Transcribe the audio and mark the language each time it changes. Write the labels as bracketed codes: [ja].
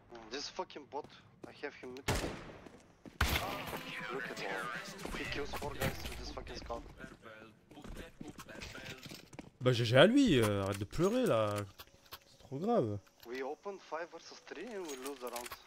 [en] This fucking bot, I have him muted. Look at him. He kills 4 guys with this fucking scout. [fr] Bah GG à lui, arrête de pleurer là. C'est trop grave. [en] We open 5 versus 3 and we lose the round.